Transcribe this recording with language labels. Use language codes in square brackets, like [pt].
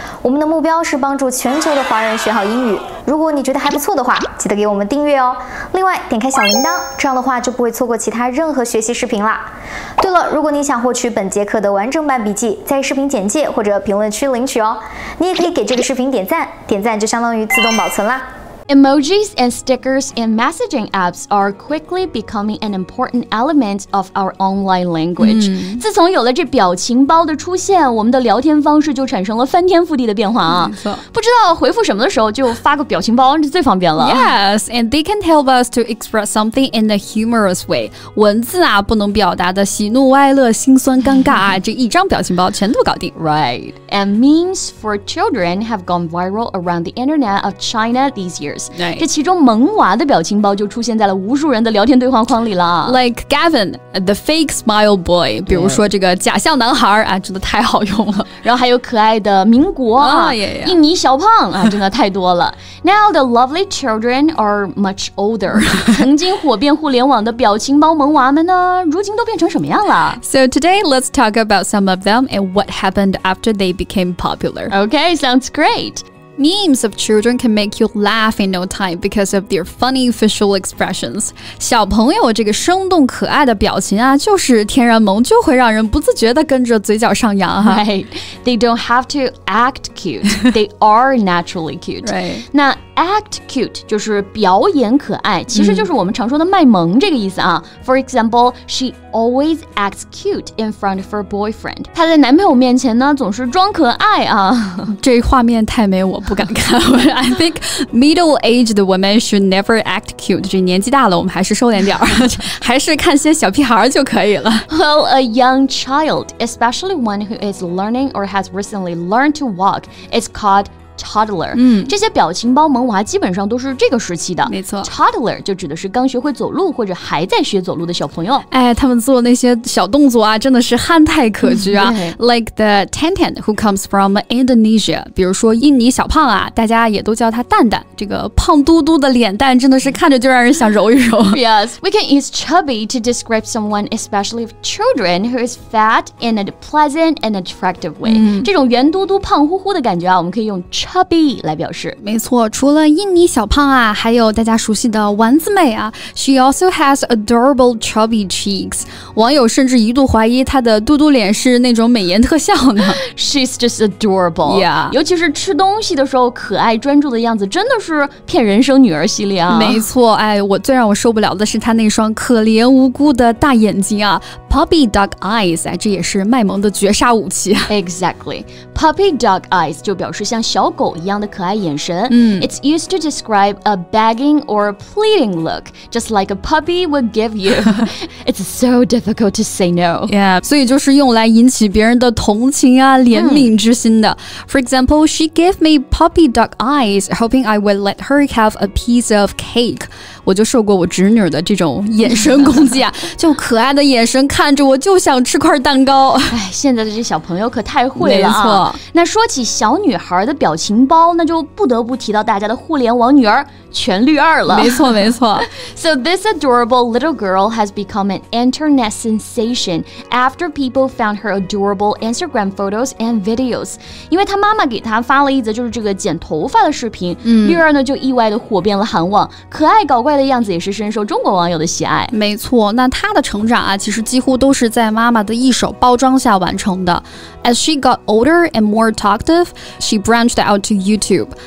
[zh] 我们的目标是帮助全球的华人学好英语。如果你觉得还不错的话，记得给我们订阅哦。另外，点开小铃铛，这样的话就不会错过其他任何学习视频啦。对了，如果你想获取本节课的完整版笔记，在视频简介或者评论区领取哦。你也可以给这个视频点赞，点赞就相当于自动保存啦。 [en] Emojis and stickers in messaging apps are quickly becoming an important element of our online language. [zh] 自从有了这表情包的出现，我们的聊天方式就产生了翻天覆地的变化啊！不知道回复什么的时候，就发个表情包是最方便了。 [en] Yes, and they can help us to express something in a humorous way. [zh] 文字啊，不能表达的喜怒哀乐、心酸尴尬啊，这一张表情包全都搞定。 [en] Right. And memes for children have gone viral around the internet of China these years. Right. [zh] 这其中萌娃的表情包就出现在了无数人的聊天对话框里了。 [en] Like Gavin, the fake smile boy. [zh] 比如说这个假笑男孩啊，真的太好用了。然后还有可爱的民国啊、印尼小胖啊，真的太多了。 [en] Now the lovely children are much older. [zh] 曾经火遍互联网的表情包萌娃们呢，如今都变成什么样了？ [en] So today, let's talk about some of them and what happened after they became popular. Okay, sounds great. Memes of children can make you laugh in no time because of their funny facial expressions. [zh] 小朋友这个生动可爱的表情啊，就是天然萌，就会让人不自觉地跟着嘴角上扬哈。 [en] Right. They don't have to act cute. They are naturally cute. Right. [zh] 那 [en] act cute [zh] 就是表演可爱，其实就是我们常说的卖萌这个意思啊。 [en] For example, she always acts cute in front of her boyfriend. [zh] 她在男朋友面前呢，总是装可爱啊。这画面太美，我不敢看。 [en] I think middle-aged women should never act cute. [zh] 这年纪大了，我们还是收敛点儿，还是看些小屁孩就可以了。 [en] Well, a young child, especially one who is learning or has recently learned to walk, is calledToddler, [zh] 这些表情包萌娃基本上都是这个时期的。没错，Toddler 就指的是刚学会走路或者还在学走路的小朋友。哎，他们做那些小动作啊，真的是憨态可掬啊。 [en] Like the Tantan who comes from Indonesia, [zh] 比如说印尼小胖啊，大家也都叫他蛋蛋。这个胖嘟嘟的脸蛋，真的是看着就让人想揉一揉。 [en] Yes, we can use chubby to describe someone, especially children, who is fat in a pleasant and attractive way. [zh] 这种圆嘟嘟、胖乎乎的感觉啊，我们可以用。 Chubby 来表示，没错。除了印尼小胖啊，还有大家熟悉的丸子妹啊。 [en] She also has adorable chubby cheeks. [zh] 网友甚至一度怀疑她的嘟嘟脸是那种美颜特效呢。 [en] She's just adorable. Yeah. [zh] 尤其是吃东西的时候可爱专注的样子，真的是骗人生女儿系列啊。没错，哎，我最让我受不了的是她那双可怜无辜的大眼睛啊 ， [en] Puppy Dog Eyes. [zh] 哎，这也是卖萌的绝杀武器。 [en] Exactly. Puppy Dog Eyes [zh] 就表示像小狗一样的可爱眼神、 [en] It's used to describe a begging or a pleading look, just like a puppy would give you. It's so difficult to say no. [zh] Yeah, 所以就是用来引起别人的同情啊、怜悯之心的。 [en] For example, she gave me puppy dog eyes, hoping I would let her have a piece of cake. [zh] 我就受过我侄女的这种眼神攻击啊，就可爱的眼神看着我就想吃块蛋糕。哎，现在的这小朋友可太会了啊。没错。那说起小女孩的表情包，那就不得不提到大家的互联网女儿全绿二了。没错没错。 [en] So this adorable little girl has become an internet sensation after people found her adorable Instagram photos and videos. [zh] 因为她妈妈给她发了一则就是这个剪头发的视频，绿二呢就意外的火遍了韩网，可爱搞怪的样子也是深受中国网友的喜爱。没错，那她的成长啊，其实几乎都是在妈妈的一手包装下完成的。 [en] As she got older and more talkative, she branched out to YouTube.